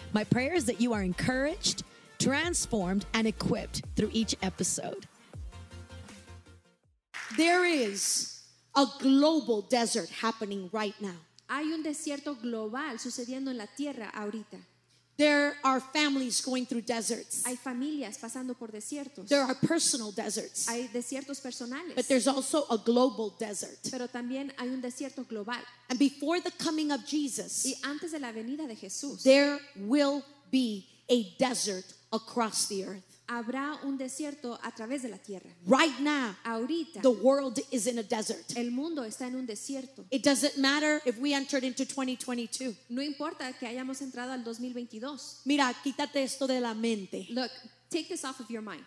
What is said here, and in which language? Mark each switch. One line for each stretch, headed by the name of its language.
English: My prayer is that you are encouraged, transformed, and equipped through each episode. There is a global desert happening right now.
Spanish: Hay un desierto global sucediendo en la tierra ahorita.
English: There are families going through deserts.
Spanish: Hay familias pasando por desiertos.
English: There are personal deserts.
Spanish: Hay desiertos personales.
English: But there's also a global desert.
Spanish: Pero también hay un desierto global.
English: And before the coming of Jesus,
Spanish: y antes de la venida de Jesús,
English: there will be a desert across the earth.
Spanish: Habrá un desierto a través de la tierra.
English: Right now,
Spanish: ahorita,
English: the world is in a desert.
Spanish: El mundo está en un desierto.
English: It doesn't matter if we entered into 2022.
Spanish: No importa que hayamos entrado al 2022. Mira, quítate esto de la mente.
English: Look, take this off of your mind.